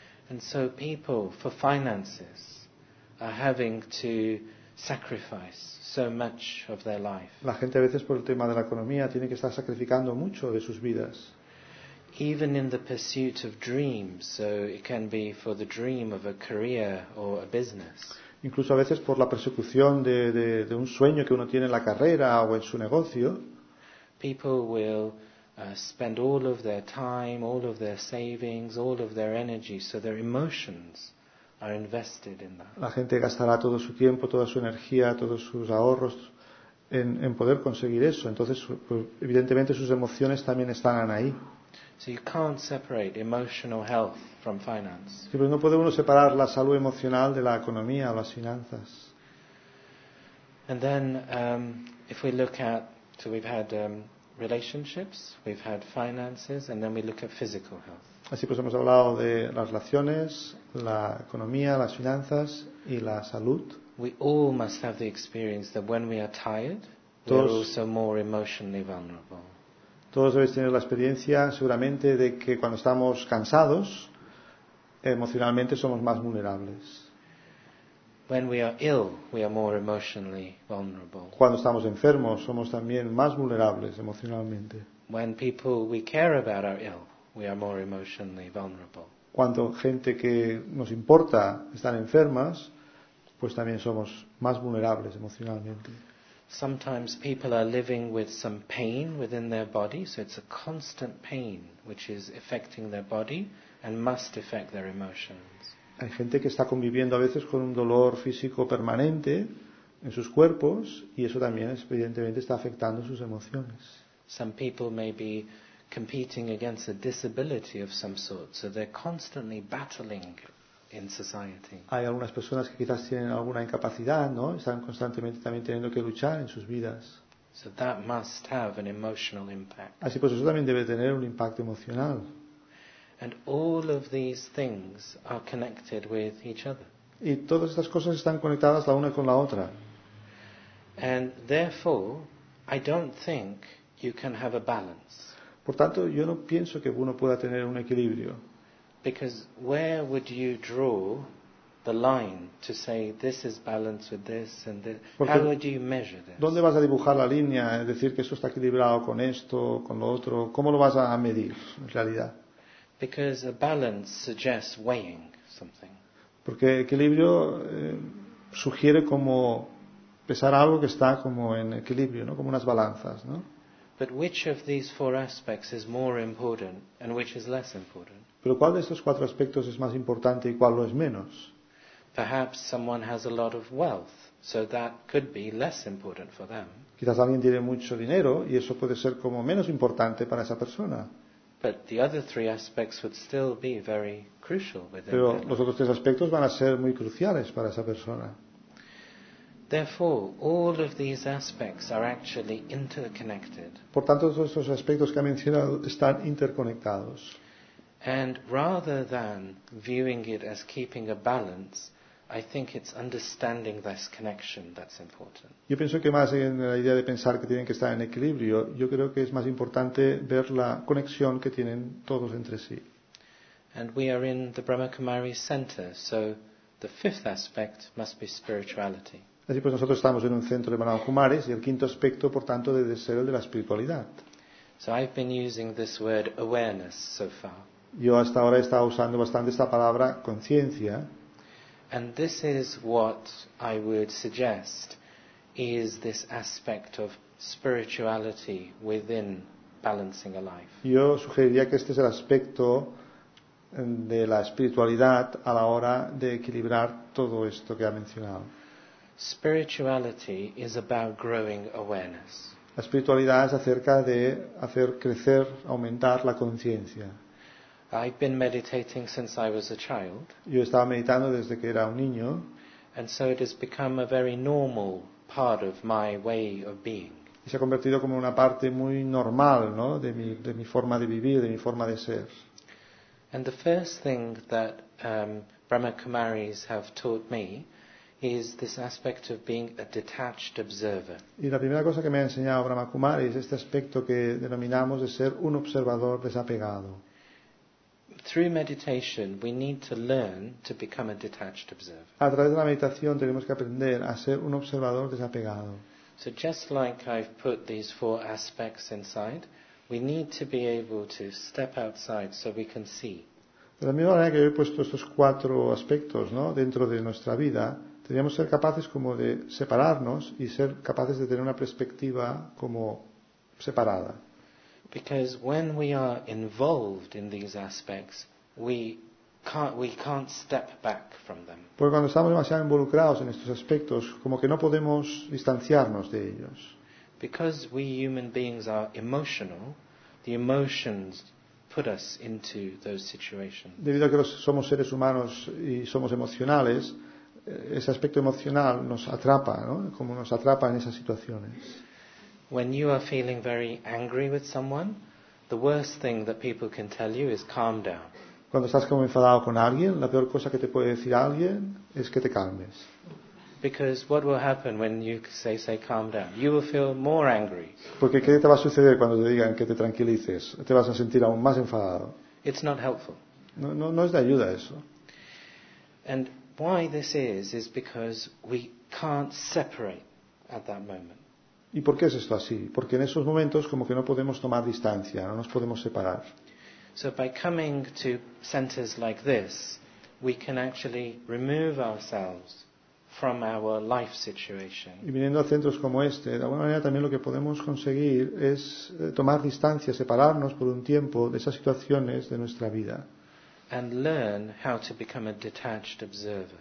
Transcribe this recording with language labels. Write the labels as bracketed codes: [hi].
[en] And so people for finances are having to sacrifice so much of their life. [es] La gente a veces por el tema de la economía tiene que estar sacrificando mucho de sus vidas. [en] Even in the pursuit of dreams, so it can be for the dream of a career or a business. [es] Incluso a veces por la persecución de un sueño que uno tiene en la carrera o en su negocio. [en] People will spend all of their time, all of their savings, all of their energy, so their emotions are invested in that. [es] La gente gastará todo su tiempo, toda su energía, todos sus ahorros en poder conseguir eso. Entonces, pues, evidentemente sus emociones también estarán ahí. [en] So you can't separate emotional health from finance. [es] Sí, pero no puede uno separar la salud emocional de la economía o las finanzas. [en] And then, if we look at, so we've had relationships, we've had finances, and then we look at physical health. [es] Así pues hemos hablado de las relaciones, la economía, las finanzas y la salud. [en] We all must have the experience that when we are tired, we're also more emotionally vulnerable. [es] Todos debéis tener la experiencia, seguramente, de que cuando estamos cansados, emocionalmente somos más vulnerables. [en] When we are ill, we are more emotionally vulnerable. [es] Cuando estamos enfermos, somos también más vulnerables emocionalmente. [en] When people we care about are ill, we are more emotionally vulnerable. [es] Cuando gente que nos importa están enfermas, pues también somos más vulnerables emocionalmente. [en] Sometimes people are living with some pain within their body, so it's a constant pain which is affecting their body and must affect their emotions. [es] Hay gente que está conviviendo a veces con un dolor físico permanente en sus cuerpos y eso también evidentemente está afectando sus emociones. [en] Some people may be competing against a disability of some sort, so they're constantly battling in society. [es] Hay algunas personas que quizás tienen alguna incapacidad, ¿no? Están constantemente también teniendo que luchar en sus vidas. [en] So that must have an emotional impact. [es] Así pues, eso también debe tener un impacto emocional. [en] And all of these things are connected with each other. [es] Y todas estas cosas están conectadas la una con la otra. [en] And therefore, I don't think you can have a balance. [es] Por tanto, yo no pienso que uno pueda tener un equilibrio. [en] Because where would you draw the line to say this is balanced with this and this? [es] Porque [en] how would you measure this? [es] ¿Dónde vas a dibujar la línea, es decir, que eso está equilibrado con esto, con lo otro? ¿Cómo lo vas a medir en realidad? [en] Because a balance suggests weighing something. [es] Porque equilibrio sugiere como pesar algo que está como en equilibrio, ¿no? Como unas balanzas, ¿no? [en] But which of these four aspects is more important and which is less important? [es] ¿Pero cuál de estos cuatro aspectos es más importante y cuál lo es menos? [en] Perhaps someone has a lot of wealth, so that could be less important for them. [es] Quizás alguien tiene mucho dinero y eso puede ser como menos importante para esa persona. [en] But the other three aspects would still be very crucial within. [es] Pero los otros tres aspectos van a ser muy cruciales para esa persona. [en] Therefore, all of these aspects are actually interconnected. [es] Por tanto, todos estos aspectos que ha mencionado están interconectados. [en] And rather than viewing it as keeping a balance, I think it's understanding this connection that's important. [es] Yo pienso que más en la idea de pensar que tienen que estar en equilibrio, yo creo que es más importante ver la conexión que tienen todos entre sí. [en] And we are in the Brahma Kumaris center, so the fifth aspect must be spirituality. [es] Así pues, nosotros estamos en un centro de Brahma Kumaris y el quinto aspecto, por tanto, debe ser el de la espiritualidad. [en] So I've been using this word awareness so far. [es] Yo hasta ahora he estado usando bastante esta palabra conciencia. [en] And this is what I would suggest is this aspect of spirituality within balancing a life. [es] Yo sugeriría que este es el aspecto de la espiritualidad a la hora de equilibrar todo esto que ha mencionado. [en] Spirituality is about growing awareness. [es] La espiritualidad es acerca de hacer crecer, aumentar la conciencia. [en] I've been meditating since I was a child. [es] Yo estaba meditando desde que era un niño. [en] And so it has become a very normal part of my way of being. [es] Y se ha convertido como una parte muy normal, ¿no? De mi forma de vivir, de mi forma de ser. [en] And the first thing that Brahma Kumaris have taught me is this aspect of being a detached observer. [es] Y la primera cosa que me ha enseñado Brahma Kumaris es este aspecto que denominamos de ser un observador desapegado. [en] Through meditation, we need to learn to become a detached observer. [es] A través de la meditación tenemos que aprender a ser un observador desapegado. [en] So just like I've put these four aspects inside, we need to be able to step outside so we can see. [es] De la misma manera que he puesto estos cuatro aspectos, ¿no? Dentro de nuestra vida, deberíamos ser capaces como de separarnos y ser capaces de tener una perspectiva como separada. [en] Because when we are involved in these aspects, we can't step back from them. [es] Porque cuando estamos demasiado involucrados en estos aspectos, como que no podemos distanciarnos de ellos. [en] Because we human beings are emotional, the emotions put us into those situations. [es] Debido a que somos seres humanos y somos emocionales, ese aspecto emocional nos atrapa, ¿no? Como nos atrapa en esas situaciones. [en] When you are feeling very angry with someone, the worst thing that people can tell you is calm down. [es] Cuando estás como enfadado con alguien, la peor cosa que te puede decir alguien es que te calmes. [en] Because what will happen when you say calm down? You will feel more angry. [es] Porque ¿qué te va a suceder cuando te digan que te tranquilices? Te vas a sentir aún más enfadado. [en] It's not helpful. [es] No es de ayuda eso. [en] And why this is because we can't separate at that moment. [es] ¿Y por qué es esto así? Porque en esos momentos como que no podemos tomar distancia, no nos podemos separar. [en] So by coming to centers like this, we can actually remove ourselves from our life situation. [es] Y viniendo a centros como este, de alguna manera también lo que podemos conseguir es tomar distancia, separarnos por un tiempo de esas situaciones de nuestra vida. [en] And learn how to become a detached observer.